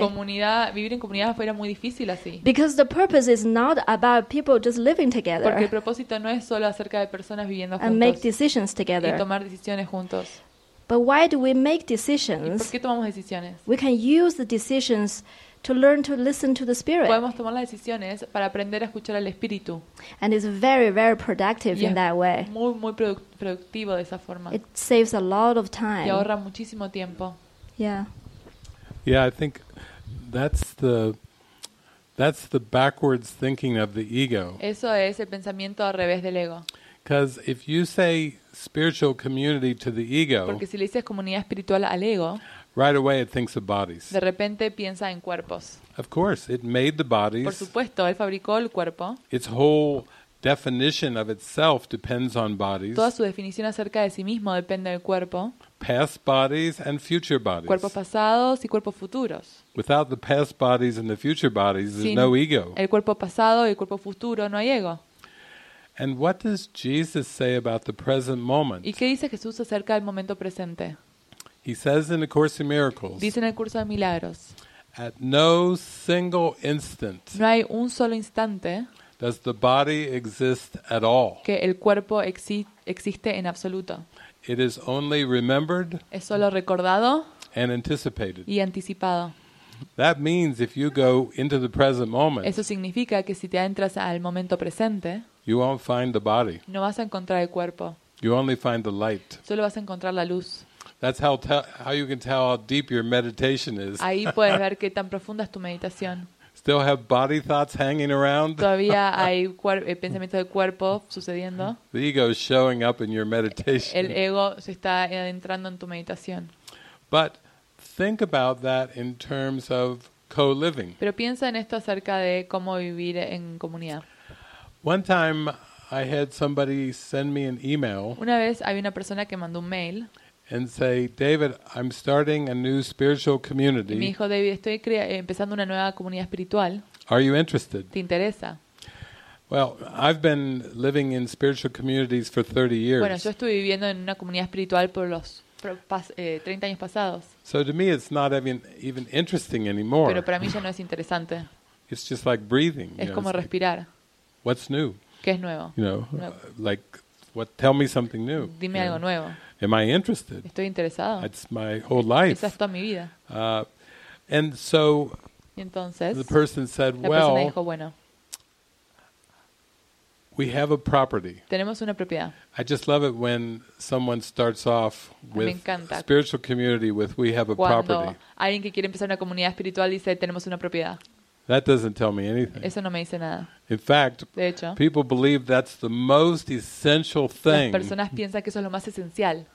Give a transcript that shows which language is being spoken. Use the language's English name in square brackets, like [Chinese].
[Spanish] Comunidad, vivir en comunidad fuera muy difícil así. [English] Because the purpose is not about people just living together. [Spanish] Porque el propósito no es solo acerca de personas viviendo juntos. [English] And make decisions together. [Spanish] Y tomar decisiones juntos. [English] But why do we make decisions? [Spanish] ¿Y por qué tomamos decisiones? [English] We can use the decisions to learn to listen to the spirit. [Spanish] Podemos tomar las decisiones para aprender a escuchar al espíritu. [English] And it's very, very productive in that way. [Spanish] Muy, muy productivo de esa forma. [English] It saves a lot of time. [Spanish] Y ahorra muchísimo tiempo. [English] Yeah. Yeah, I think that's the backwards thinking of the ego. [Spanish] Eso es el pensamiento al revés del ego. [English] Because if you say spiritual community to the ego, [Spanish] porque si le dices comunidad espiritual al ego, [English] right away it thinks of bodies. [Spanish] De repente piensa en cuerpos. [English] Of course, it made the bodies. [Spanish] Por supuesto, él fabricó el cuerpo. [English] Its whole definition of itself depends on bodies. [Spanish] Toda su definición acerca de sí mismo depende del cuerpo. [English] Past bodies and future bodies. [Spanish] Cuerpos pasados y cuerpos futuros. [English] Without the past bodies and the future bodies, there's no ego. [Spanish] El cuerpo pasado y el cuerpo futuro no hay ego. [English] And what does Jesus say about the present moment? [Spanish] ¿Y qué dice Jesús acerca del momento presente? [English] He says in the Course of Miracles. [Spanish] Dice en el curso de milagros. [English] At no single instant. [Spanish] No hay un solo instante. [English] Does the body exist at all? [Spanish] Que el cuerpo existe en absoluto. [English] It is only remembered. [Spanish] Es solo recordado. [English] And anticipated. [Spanish] Y anticipado. [English] That means if you go into the present moment. [Spanish] Eso significa que si te entras al momento presente. [English] You won't find the body. [Spanish] No vas a encontrar el cuerpo. [English] You only find the light. [Spanish] Solo vas a encontrar la luz. [English] That's how you can tell how deep your meditation is. [Spanish] Ahí puedes ver qué tan profunda es tu meditación. [English] Still have body thoughts hanging around. [Spanish] Todavía hay pensamientos de cuerpo sucediendo. [English] The ego is showing up in your meditation. [Spanish] El ego se está adentrando en tu meditación. [English] But think about that in terms of co-living. [Spanish] Pero piensa en esto acerca de cómo vivir en comunidad. [English] One time I had somebody send me an email. [Spanish] Una vez había una persona que mandó un mail. [English] And say, David, I'm starting a new spiritual community. [Spanish] Y me dijo, David, estoy empezando una nueva comunidad espiritual. [English] Are you interested? [Spanish] ¿Te interesa? [English] Well, I've been living in spiritual communities for 30 years. [Spanish] Bueno, yo estuve viviendo en una comunidad espiritual por los 30 años pasados. [English] So to me, it's not even interesting anymore. [Spanish] Pero para mí ya no es interesante. [English] It's just like breathing. [Spanish] Es como respirar. [English] What's new? [Spanish] ¿Qué es nuevo? [English] You know, like, what? Tell me something new. [Spanish] Dime algo nuevo. [English] Am I interested? [Spanish] Estoy interesado. [English] That's my whole life. [Spanish] Esa es toda mi vida. [English] And so, [Spanish] entonces, [English] the person said, [Spanish] "Well, dijo, bueno, [English] we have a property." [Spanish] Tenemos una propiedad. [English] I just love it when someone starts off with a spiritual community with "we have a [Spanish] cuando [English] property." [Spanish] Cuando alguien que quiere empezar una comunidad espiritual dice tenemos una propiedad. [English] That doesn't tell me anything. [Spanish] Eso no me dice nada. [English] In fact, [Spanish] de hecho, [English] people believe that's the most essential thing. [Spanish] Las personas piensan que eso es lo más esencial.